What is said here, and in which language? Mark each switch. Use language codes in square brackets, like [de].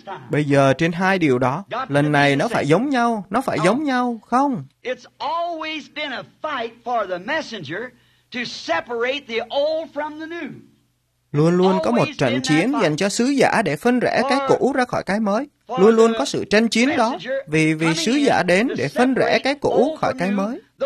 [vi] Bây giờ, trên hai điều đó, lần này nó phải giống nhau, nó phải giống nhau, không? [en] It's always been a fight for the messenger to separate the old from the new. [vi] Luôn luôn có một trận chiến dành cho sứ giả để phân rẽ cái cũ ra khỏi cái mới. Luôn luôn có sự tranh chiến đó, vì sứ giả đến để phân rẽ cái cũ khỏi cái mới.